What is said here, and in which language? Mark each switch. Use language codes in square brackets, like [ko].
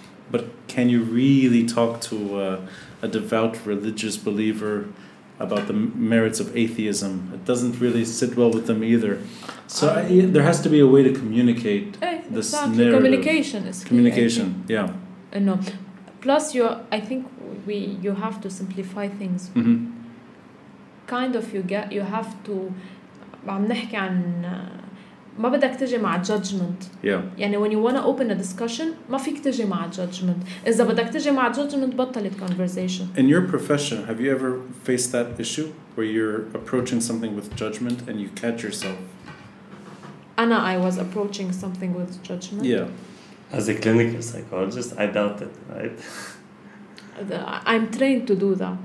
[en] But can you really talk to a devout religious believer about the merits of atheism? It doesn't really sit well with them either. So there has to be a way to communicate this exactly. narrative. Communication is communication. Key, yeah. No. Plus, I think you have to simplify things. Mm-hmm. Kind of you have to. [ar] عم نحكي عن ما بدك تجي مع judgment. [en] Yeah. [ar] يعني [en] when you wanna open a discussion, [ar] ما فيك تجي مع [en] judgment. [ar] إذا بدك تجي مع judgment, بطلت conversation. [en] In your profession, have you ever faced that issue where you're approaching something with judgment and you catch yourself? Anna, I was approaching something with judgment. Yeah. As a clinical psychologist, I doubt it, right? I'm trained to do that.